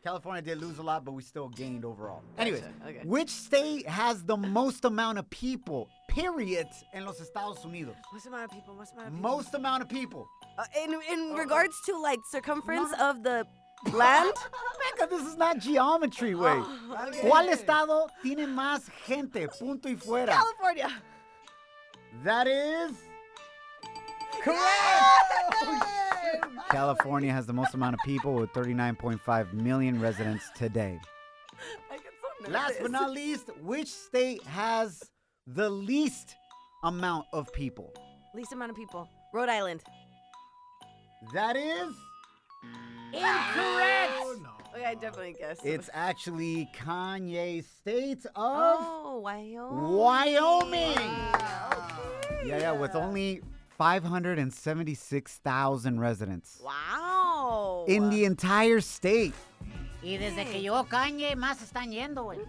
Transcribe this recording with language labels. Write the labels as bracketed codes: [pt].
[en] California did lose a lot, but we still gained overall. Gotcha. Anyways, okay. Which state has the most amount of people, period, in [es] los Estados Unidos? [en] Most amount of people, most amount of people. Most amount of people. Regards to, like, circumference of the land? Becca, this is not geometry, wait. Okay. [es] ¿Cuál estado tiene más gente? Punto y fuera. [en] California. That is correct. Yeah! California has the most amount of people with 39.5 million residents today. I get so nervous. Last but not least, which state has the least amount of people? Least amount of people. Rhode Island. That is incorrect. Oh, no. Okay, I definitely guessed. It's actually Kanye's state of Wyoming. Okay. Yeah, with only 576,000 residents. Wow. In the entire state. [es] Y desde que llegó Kanye, más están yendo, güey.